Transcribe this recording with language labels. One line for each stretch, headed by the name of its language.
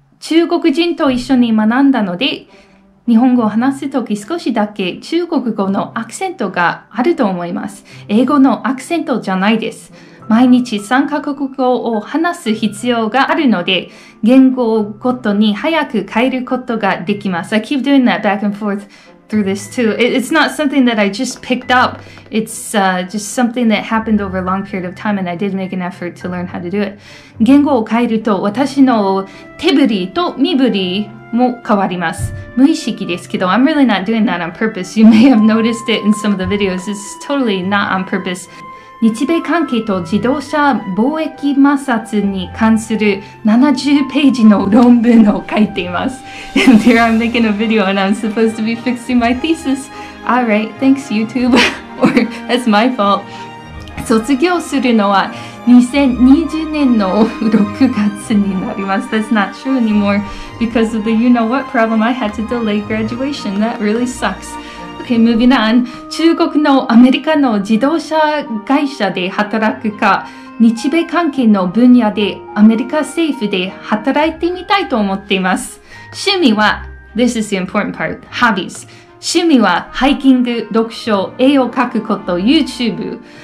Japanese: 中国人と一緒に学んだので、日本語を話すとき少しだけ中国語のアクセントがあると思います。英語のアクセントじゃないです。毎日3カ国語を話す必要があるので、言語ごとに早く変えることができます。
English: I keep doing that back and forth through this too. It's not something that I just picked up. It's just something that happened over a long period of time and I did make an effort to learn how to do it.
Japanese: 言語を変えると私の手振りと身振りも変わります。無意識ですけど、
English: I'm really not doing that on purpose. You may have noticed it in some of the videos. It's totally not on purpose.
Japanese: 日米関係と自動車貿易摩擦に関する70ページの論文を書いています。
English: And here I'm making a video and I'm supposed to be fixing my thesis. All right, thanks YouTube. Or that's my fault.
Japanese: 卒業するのは2020年の6月になります。
English: That's not true anymore because of the you know what problem I had to delay graduation. That really sucks. Okay, moving on.
Japanese: 中国のアメリカの自動車会社で働くか、日米関係の分野でアメリカ政府で働いてみたいと思っています。趣味は、
English: This is the important part, hobbies.
Japanese: 趣味はハイキング、読書、絵を描くこと、YouTube。